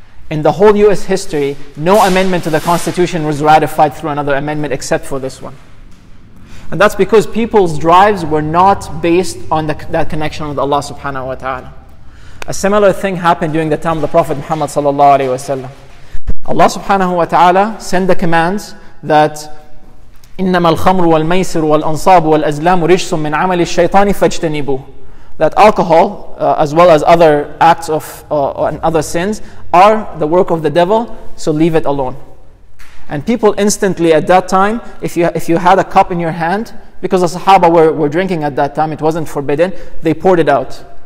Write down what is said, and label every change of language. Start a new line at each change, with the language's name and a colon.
English: In the whole US history, no amendment to the Constitution was ratified through another amendment except for this one. And that's because people's drives were not based on that connection with Allah subhanahu wa ta'ala. A similar thing happened during the time of the Prophet Muhammad sallallahu alaihi wasallam. Allah subhanahu wa ta'ala sent the commands that
Arabic: إِنَّمَا الْخَمْرُ وَالْمَيْسِرُ وَالْأَنصَابُ وَالْأَزْلَامُ رِجْسٌ مِّنْ عَمَلِ الشَّيْطَانِ فَاجْتَنِبُوا.
English: That alcohol, as well as other acts of and other sins, are the work of the devil, so leave it alone. And people instantly at that time, if you had a cup in your hand, because the Sahaba were drinking at that time, it wasn't forbidden, they poured it out.